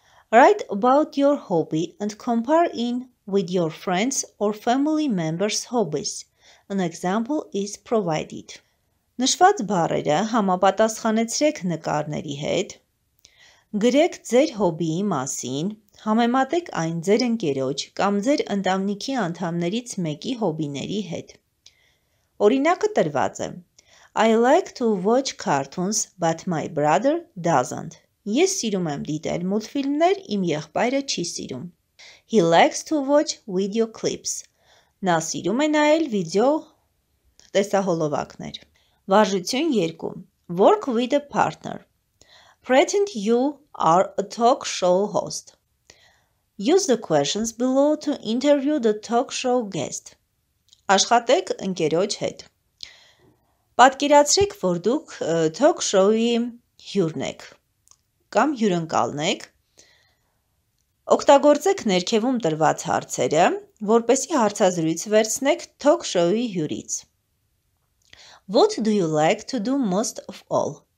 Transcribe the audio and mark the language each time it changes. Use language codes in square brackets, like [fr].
[en] Write about your hobby and compare it with your friends or family members' hobbies. An example is provided. [hy] Նշված բառերը համապատասխանեցրեք նկարների հետ. Գրեք ձեր հոբիի մասին, համեմատեք այն ձեր ընկերոջ կամ ձեր ընտանիքի անդամներից մեկի հոբիների հետ. Օրինակը տրված է. [en] I like to watch cartoons, but my brother doesn't. [hy] Ես սիրում եմ դիտել մուլտֆիլմներ, իմ եղբայրը չի սիրում. [en] He likes to watch video clips. [hy] Նա սիրում է նայել վիդեո տեսահոլովակներ. Վարժություն 2. [en] Work with a partner. Pretend you are a talk show host. Use the questions below to interview the talk show guest. [hy] Աշխատեք ընկերոջ հետ. Պատկերացրեք, որ դուք talk show-ի հյուրն եք կամ հյուրընկալն եք։ Օգտագործեք ներքևում տրված հարցերը, որպեսզի հարցազրույց վերցնեք talk show-ի հյուրից։ [en] What do you like to do most of all?